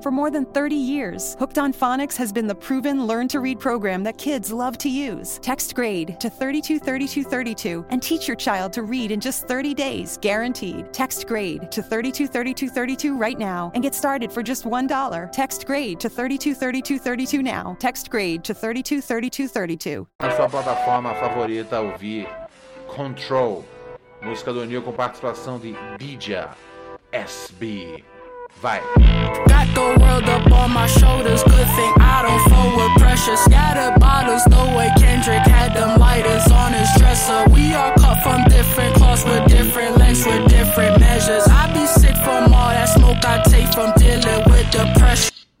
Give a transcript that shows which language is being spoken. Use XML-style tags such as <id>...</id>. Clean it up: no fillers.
<en>For more than 30 years, Hooked on Phonics has been the proven learn-to-read program that kids love to use. Text GRADE to 323232 and teach your child to read in just 30 days, guaranteed. Text GRADE to 323232 right now and get started for just $1. Text GRADE to 323232 now. Text GRADE to 323232.</en> <pt>Na sua plataforma favorita ouvir Control, música do Neil com participação de DJ SB. Vai.</pt> <en>Got the world up on my shoulders, good thing I don't fold with pressure. Scattered bottles, no way Kendrick had them lighters on his dresser. We all cut from different cloths with different lengths with different measures. I be sick from all that smoke I take from dealing with depression.</en>